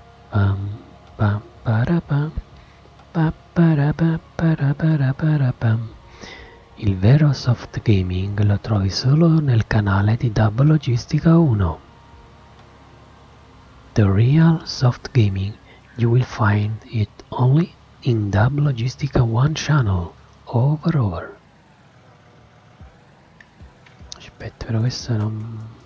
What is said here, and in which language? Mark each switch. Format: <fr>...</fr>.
<it>Pam, pam, parapam, paparapam, paraparaparapam. Il vero soft gaming lo trovi solo nel canale di Dub Logistica 1.</it> <en>The real soft gaming you will find it only in Dub Logistica 1 channel. Over.</en> <it>Aspetta, però questa non...</it>